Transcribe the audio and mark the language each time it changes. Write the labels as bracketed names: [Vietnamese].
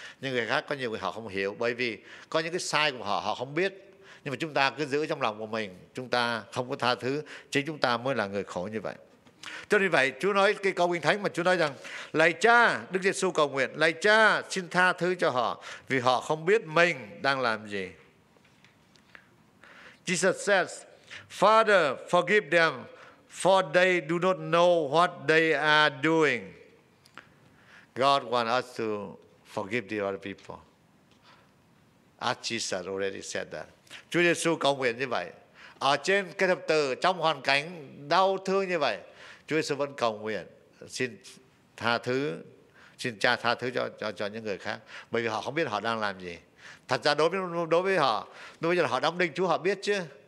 [Vietnamese] Nhưng người khác có nhiều người họ không hiểu, bởi vì có những cái sai của họ, họ không biết. Nhưng mà chúng ta cứ giữ trong lòng của mình, chúng ta không có tha thứ, chính chúng ta mới là người khổ như vậy. Cho nên vậy, Chúa nói cái câu Kinh Thánh mà Chúa nói rằng, lạy Cha, Đức Giêsu cầu nguyện, lạy Cha xin tha thứ cho họ, vì họ không biết mình đang làm gì. [English] Jesus says, Father, forgive them, for they do not know what they are doing. God wants us to forgive the other people. As Jesus already said that. [Vietnamese] Chúa Giêsu cầu nguyện như vậy. Ở trên cái thập tự, trong hoàn cảnh đau thương như vậy, Chúa Giêsu vẫn cầu nguyện, xin tha thứ, xin Cha tha thứ cho những người khác. Bởi vì họ không biết họ đang làm gì. Thật ra đối với họ, bây giờ họ đóng đinh Chúa, họ biết chứ.